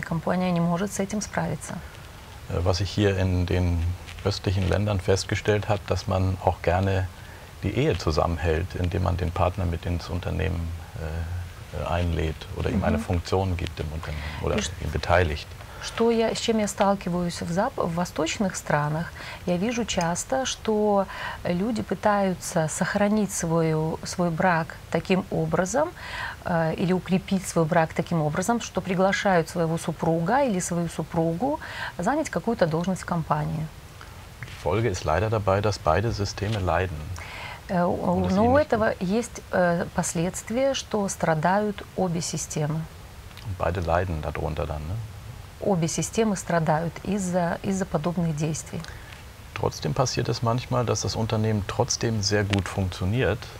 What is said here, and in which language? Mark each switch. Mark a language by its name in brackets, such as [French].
[Russian] Компания не может с этим справиться. [German] Was ich hier in den östlichen Ländern festgestellt habe, dass man auch gerne die Ehe zusammenhält, indem man den Partner mit ins Unternehmen einlädt oder ihm eine Funktion gibt im Unternehmen oder ihn beteiligt. [Russian] Что я, с чем я сталкиваюсь в восточных странах, я вижу часто, что люди пытаются сохранить свой брак таким образом или укрепить свой брак таким образом, что приглашают своего супруга или свою супругу занять какую-то должность в компании. [German] Die Folge ist leider dabei, dass beide Systeme leiden. [Russian] Но у этого есть последствия, что страдают обе системы. [German] Beide leiden darunter dann, ne? [Russian] Обе системы страдают из-за подобных действий. [German] Trotzdem passiert es manchmal, dass das Unternehmen trotzdem sehr gut funktioniert.